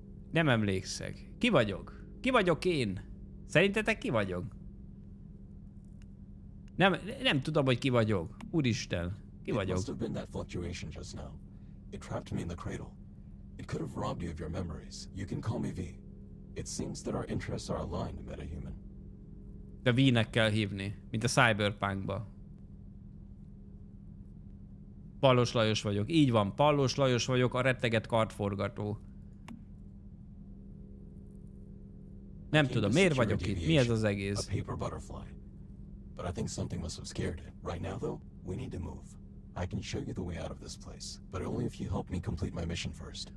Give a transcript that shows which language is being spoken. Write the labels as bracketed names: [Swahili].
[Hungarian] Nem emlékszek. Ki vagyok? Ki vagyok én? Szerintetek ki vagyok? Nem tudom, hogy ki vagyok. Úristen, ki vagyok? [English] It must have been that fluctuation just now. It trapped me in the cradle. It could have robbed you of your memories. You can call me V. It seems that our interests are aligned, metahuman. [Hungarian] De V-nek kell hívni, mint a Cyberpunkba. Pallos Lajos vagyok. Így van, Pallos Lajos vagyok, a retteget kartforgató. Nem tudom, miért vagyok itt? Mi ez az egész? [English] A paper butterfly. But I think something must have scared it. Right now though, we need to move. I can show you the way out of this place, but only if you help me complete my mission first.